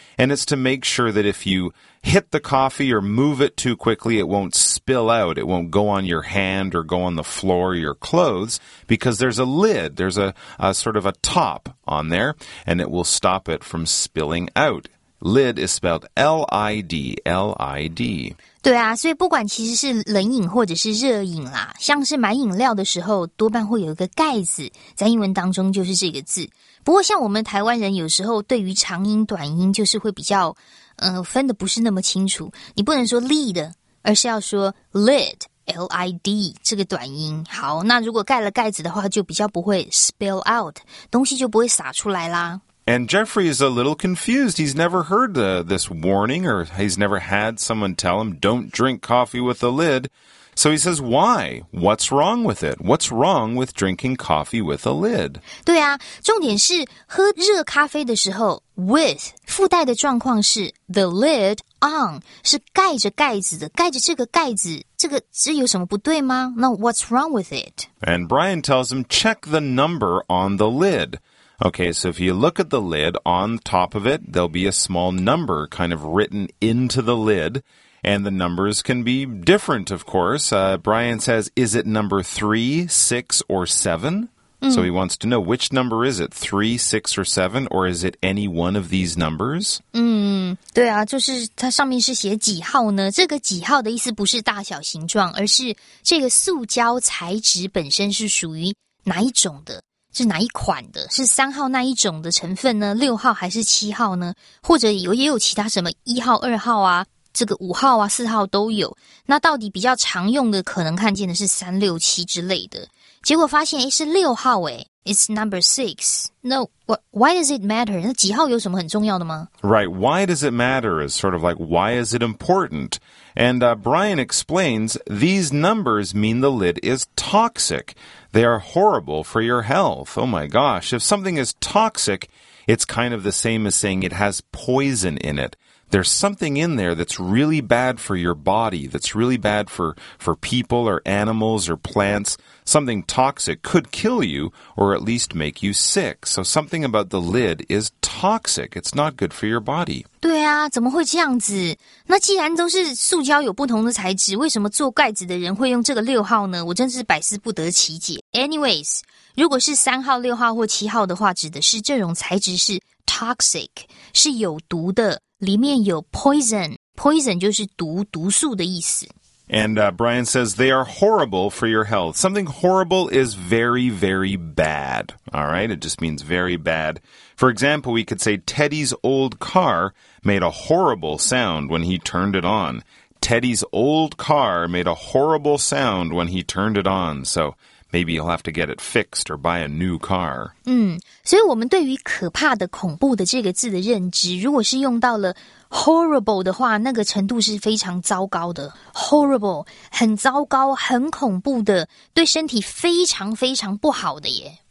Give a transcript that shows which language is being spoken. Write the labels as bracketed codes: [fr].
[en] And it's to make sure that if you hit the coffee or move it too quickly, it won't spill out. It won't go on your hand or go on the floor or your clothes because there's a lid. There's a sort of a top on there and it will stop it from spilling out. Lid is spelled L-I-D, L-I-D. [zh] 对啊，所以不管其实是冷饮或者是热饮啦，像是买饮料的时候，多半会有一个盖子，在英文当中就是这个字。不过像我们台湾人有时候对于长音短音就是会比较分的不是那么清楚。你不能说 lid, 而是要说 lid, L-I-D, 这个短音。好，那如果盖了盖子的话，就比较不会 spill out, 东西就不会洒出来啦。 [en] And Jeffrey is a little confused. He's never heard this warning or he's never had someone tell him, don't drink coffee with a lid. So he says, why? What's wrong with it? What's wrong with drinking coffee with a lid? [zh] 对啊，重点是喝热咖啡的时候 with 附带的状况是 the lid on 是盖着盖子的，盖着这个盖子，这个是有什么不对吗？ [en] No, what's wrong with it? And Brian tells him, check the number on the lid. Okay, so if you look at the lid, on top of it, there'll be a small number kind of written into the lid, and the numbers can be different, of course. Brian says, is it number 3, 6, or 7? So he wants to know, which number is it, 3, 6, or 7, or is it any one of these numbers? [zh] 对啊，就是它上面是写几号呢？这个几号的意思不是大小形状，而是这个塑胶材质本身是属于哪一种的。是哪一款的？是三号那一种的成分呢？六号还是七号呢？或者也有其他什么一号、二号啊，这个五号啊、四号都有。那到底比较常用的，可能看见的是三六七之类的。结果发现，诶，是六号诶。 [en] It's number 6. No, why does it matter? [zh] 那几号有什么很重要的吗？ [en] Right, why does it matter is sort of like, why is it important? And Brian explains, these numbers mean the lid is toxic. They are horrible for your health. Oh my gosh, if something is toxic, It's kind of the same as saying it has poison in it. There's something in there that's really bad for your body, that's really bad for people or animals or plants. Something toxic could kill you or at least make you sick. So something about the lid is toxic. It's not good for your body. [zh] 对啊，怎么会这样子？那既然都是塑胶有不同的材质，为什么做盖子的人会用这个六号呢？我真是百思不得其解。 Anyways, 如果是三号、六号或七号的话，指的是这种材质是 toxic, 是有毒的。里面有 poison, poison 就是毒、毒素的意思。 [en] And Brian says, they are horrible for your health. Something horrible is very, very bad. All right, it just means very bad. For example, we could say Teddy's old car made a horrible sound when he turned it on. Teddy's old car made a horrible sound when he turned it on. So maybe you'll have to get it fixed or buy a new car. [zh] 嗯，所以我们对于可怕的、恐怖的这个字的认知，如果是用到了 horrible 的话，那个程度是非常糟糕的。 Horrible, 很糟糕、很恐怖的，对身体非常非常不好的耶。